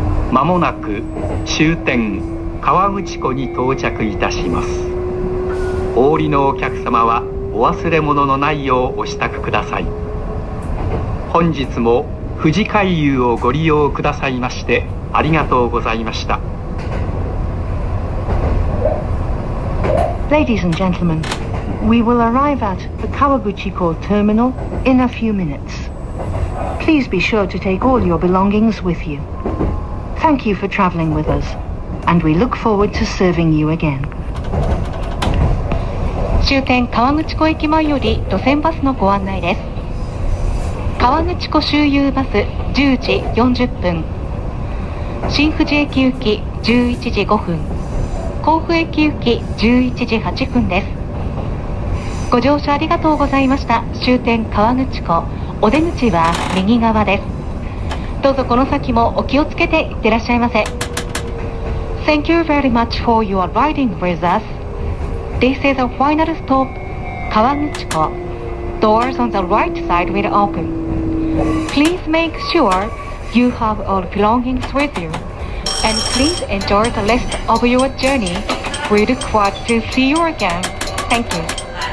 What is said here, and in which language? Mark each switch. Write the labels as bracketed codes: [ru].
[ja] まもなく終点川口湖に到着いたします。お降りのお客様はお忘れ物のないようお支度ください。本日も富士回遊をご利用くださいましてありがとうございました。 [en] Ladies and gentlemen, we will arrive at the Kawaguchiko terminal in a few minutes. Please be sure to take all your belongings with youThank you for traveling with us, and we look forward to serving you again. [ja] 終点川口湖駅前より路線バスのご案内です。川口湖周遊バス10時40分、新富士駅行き11時5分、甲府駅行き11時8分です。ご乗車ありがとうございました。終点川口湖、お出口は右側です。どうぞこの先もお気をつけていってらっしゃいませ。 [en] Thank you very much for your riding with us. This is the final stop, 川口湖. Doors on the right side will open. Please make sure you have all belongings with you. And please enjoy the rest of your journey. We look forward to see you again. Thank you.